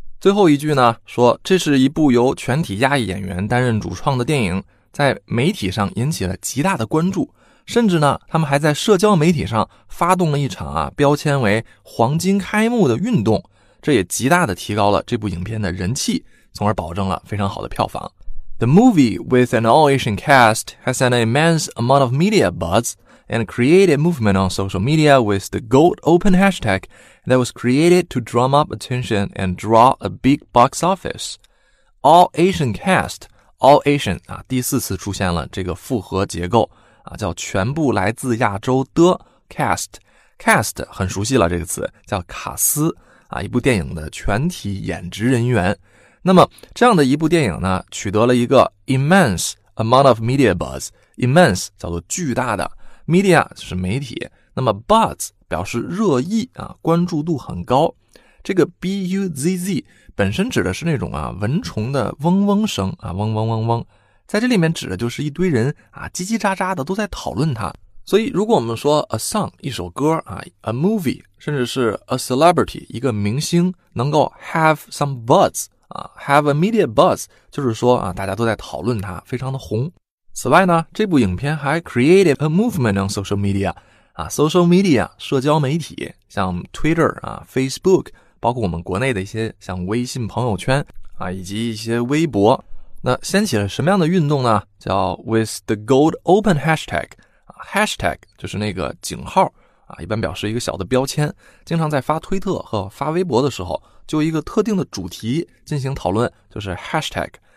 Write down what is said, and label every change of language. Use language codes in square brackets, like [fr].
[zh] 最后一句呢说，这是一部由全体亚裔演员担任主创的电影，在媒体上引起了极大的关注，甚至呢他们还在社交媒体上发动了一场啊标签为黄金开幕的运动，这也极大的提高了这部影片的人气，从而保证了非常好的票房。 [en] The movie with an all-Asian cast has an immense amount of media buzz and created movement on social media with the gold open hashtag that was created to drum up attention and draw a big box office. All-Asian cast, all-Asian [zh] 啊，第四次出现了这个复合结构啊，叫全部来自亚洲的 cast 很熟悉了，这个词叫卡斯啊，一部电影的全体演职人员。那么这样的一部电影呢，取得了一个 [en] immense amount of media buzz。 [zh] immense 叫做巨大的， media 是媒体，那么 buzz 表示热议啊，关注度很高。这个 buzz 本身指的是那种啊蚊虫的嗡嗡声啊，嗡嗡嗡嗡，在这里面指的就是一堆人啊叽叽喳喳的都在讨论它。所以如果我们说 [en] a song [zh] 一首歌啊 ， [en] a movie [zh] 甚至是 [en] a celebrity [zh] 一个明星能够 [en] have some buzz [zh] 啊 ， [en] have immediate buzz， [zh] 就是说啊大家都在讨论它，非常的红。此外呢，这部影片还 [en] created a movement on social media。 [zh] 啊 ，social media 社交媒体，像 Twitter 啊 ，Facebook， 包括我们国内的一些像微信朋友圈啊，以及一些微博，那掀起了什么样的运动呢？叫 [en] With the Gold Open Hashtag [zh] 啊 ，Hashtag 就是那个井号啊，一般表示一个小的标签，经常在发推特和发微博的时候，就一个特定的主题进行讨论，就是 Hashtag。